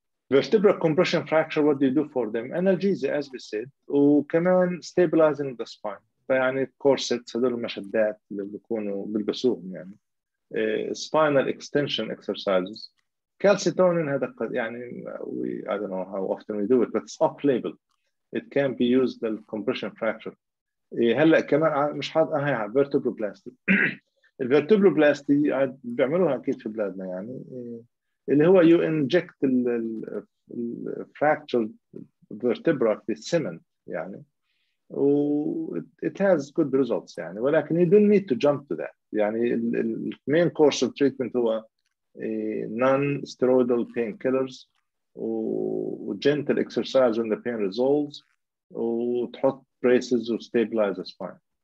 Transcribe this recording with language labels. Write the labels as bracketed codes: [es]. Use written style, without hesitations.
[en] Vertebral compression fracture, what do you do for them? Analgesia, as we said, [ar] وكمان [en] stabilizing the spine. [ar] فيعني corsets, هذول المشدات اللي بيكونوا بيلبسوهم يعني. [en] Spinal extension exercises. Calcitonin, [ar] هذا قد يعني, [en] I don't know how often we do it, but it's off-label. it can be used the compression fracture. [ar] هلا كمان مش حاط هاي [en] vertebroplasty. vertebroplasty [ar] بيعملوها اكيد في بلادنا يعني اللي هو [en] you inject ال fractured vertebra with cement يعني و it has good results [ar] يعني ولكن [en] you don't need to jump to that [ar] يعني ال [en] main course of treatment [ar] هو [en] non-steroidal painkillers و gentle exercise when the pain resolves [ar] وتحط [en] braces to stabilize the spine.